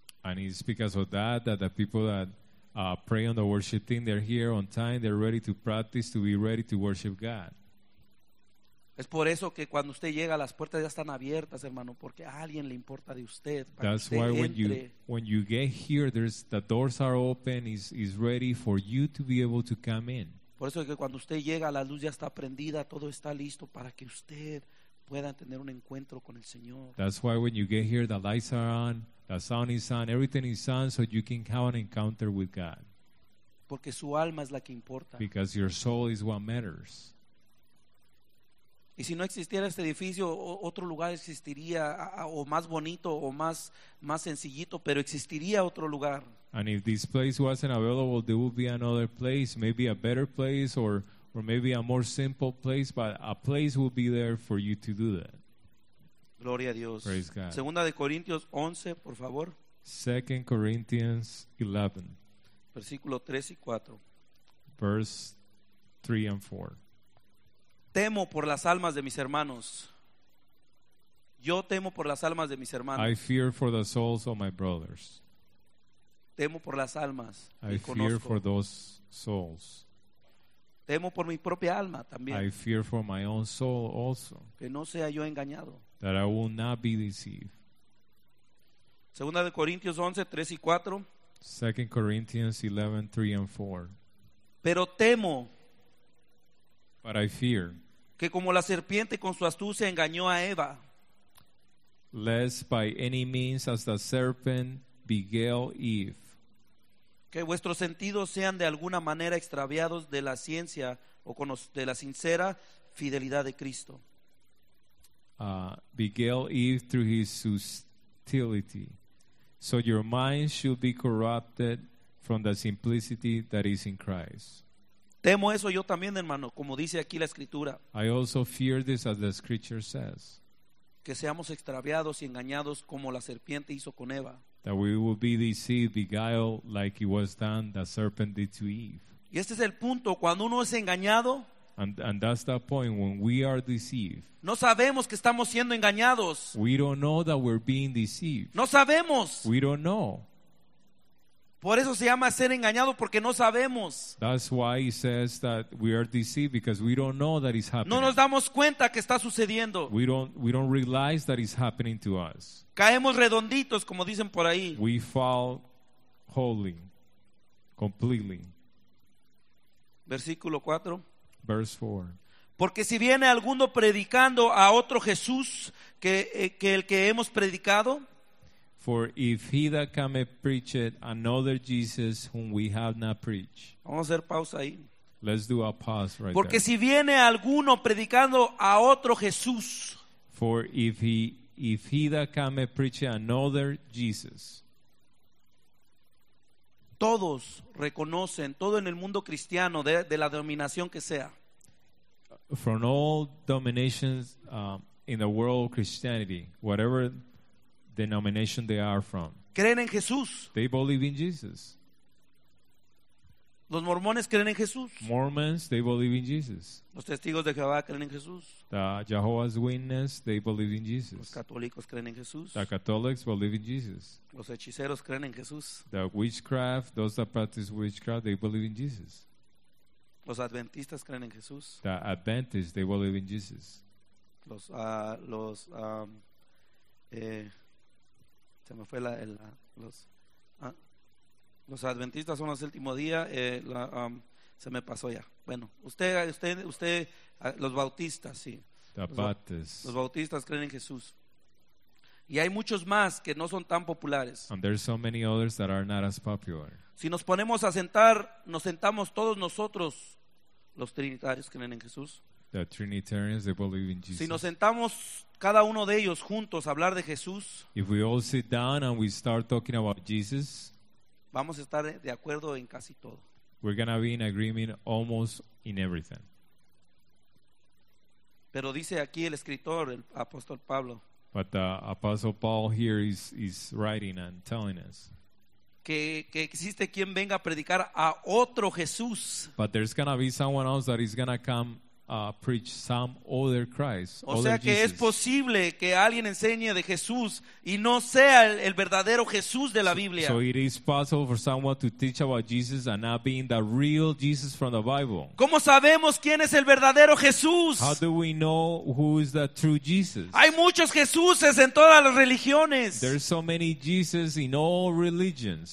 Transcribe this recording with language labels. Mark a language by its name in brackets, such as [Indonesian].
[English] And it's because of that the people that pray on the worship team, they're here on time, they're ready to practice, to be ready to worship God. [Spanish] Es por eso que cuando usted llega, las puertas ya están abiertas, hermano, porque a alguien le importa de usted. Para [English] That's [Spanish] usted [English] why [Spanish] entre. [English] When you get here, the doors are open, is ready for you to be able to come in. [Spanish] Por eso que cuando usted llega, la luz ya está prendida, todo está listo para que usted pueda tener un encuentro con el Señor. [English] That's why when you get here, the lights are on, the sound is on, everything is on, so you can have an encounter with God. [Spanish] Porque su alma es la que importa. [English] Because your soul is what matters. [Spanish] Y si no existiera este edificio, otro lugar existiría, o más bonito, o más sencillito, pero existiría otro lugar. [English] And if this place wasn't available, there would be another place, maybe a better place, or maybe a more simple place, but a place would be there for you to do that. [Spanish] Gloria a Dios. [English] Praise God. [Spanish] Segunda de Corintios 11, por favor. [English] 2 Corinthians 11. [Spanish] Versículo 3 y 4. [English] Verse 3 and 4. [Spanish] Temo por las almas de mis hermanos. Yo temo por las almas de mis hermanos. [English] I fear for the souls of my brothers. [Spanish] Temo por las almas. [English] I fear for those souls. [Spanish] Temo por mi propia alma también. [English] I fear for my own soul also. [Spanish] Que no sea yo engañado. [English] That I will not be deceived. [Spanish] Segunda de Corintios 11, 3 y 4. [English] 2 Corinthians 11, 3 and 4. [Spanish] Pero temo. [English] But I fear. [Spanish] Que como la serpiente con su astucia engañó a Eva. [English] Lest by any means as the serpent beguile Eve. [Spanish] Que vuestros sentidos sean de alguna manera extraviados de la ciencia o con de la sincera fidelidad de Cristo. [English] Beguile Eve through his subtlety. So your mind should be corrupted from the simplicity that is in Christ. [Spanish] Temo eso yo también, hermano, como dice aquí la Escritura. [English] I also fear this as the Scripture says. [Spanish] Que seamos extraviados y engañados como la serpiente hizo con Eva. [English] That we will be deceived, beguiled, like it was done, the serpent did to Eve. [Spanish] Y este es el punto, cuando uno es engañado. [English] And that's the point, when we are deceived. [Spanish] No sabemos que estamos siendo engañados. [English] We don't know that we're being deceived. [Spanish] No sabemos. [English] We don't know. [Spanish] Por eso se llama ser engañado porque no sabemos. [English] That's why he says that we are deceived because we don't know that it's happening. [Spanish] No nos damos cuenta que está sucediendo. [English] We don't realize that it's happening to us. [Spanish] Caemos redonditos, como dicen por ahí. [English] We fall wholly, completely. [Spanish] Versículo 4. [English] Verse 4. [Spanish] Porque si viene alguno predicando a otro Jesús que el que hemos predicado. [English] For if he that cometh preacheth another Jesus whom we have not preached. [Spanish] Vamos a hacer pausa ahí. [English] Let's do a pause right [Spanish] Porque [English] there. [Spanish] Porque si viene alguno predicando a otro Jesús. [English] For if he that cometh preacheth another Jesus. [Spanish] Todos reconocen, todo en el mundo cristiano, de la denominación que sea. [English] From all denominations in the world of Christianity, whatever denomination they are from. [Spanish] Creen en Jesús. [English] They believe in Jesus. [Spanish] Los mormones creen en Jesús. [English] Mormons, they believe in Jesus. [Spanish] Los testigos de Jehová creen en Jesús. [English] The Jehovah's Witness, they believe in Jesus. [Spanish] Los católicos creen en Jesús. [English] The Catholics believe in Jesus. [Spanish] Los hechiceros creen en Jesús. [English] The witchcraft, those that practice witchcraft, they believe in Jesus. [Spanish] Los adventistas creen en Jesús. [English] The Adventists, they believe in Jesus. [Spanish] Los adventistas son los últimos días. Se me pasó ya. Bueno, usted, los bautistas, sí. Los bautistas creen en Jesús. Y hay muchos más que no son tan populares. [English] And there's so many others that are not as popular. [Spanish] Si nos ponemos a sentar, nos sentamos todos nosotros, Los trinitarios creen en Jesús. [English] The Trinitarians, they believe in Jesus. [Spanish] Si nos sentamos cada uno de ellos juntos a hablar de Jesús, [English] if we all sit down and we start talking about Jesus, [Spanish] vamos a estar de acuerdo en casi todo. [English] We're going to be in agreement almost in everything. [Spanish] Pero dice aquí el escritor, el apóstol Pablo, [English] but the apostle Paul here is writing and telling us [Spanish] que existe quien venga a predicar a otro Jesús. [English] But there's going to be someone else that is going to come preach some other Christ. [Spanish] O sea que [English] Jesus. [Spanish] Es posible que alguien enseñe de Jesús y no sea el verdadero Jesús de la Biblia. [English] So it is possible for someone to teach about Jesus and not being the real Jesus from the Bible. [Spanish] ¿Cómo sabemos quién es el verdadero Jesús? [English] How do we know who is the true Jesus? [Spanish] Hay muchos Jesuses en todas las religiones. [English] There's so many Jesus in all religions.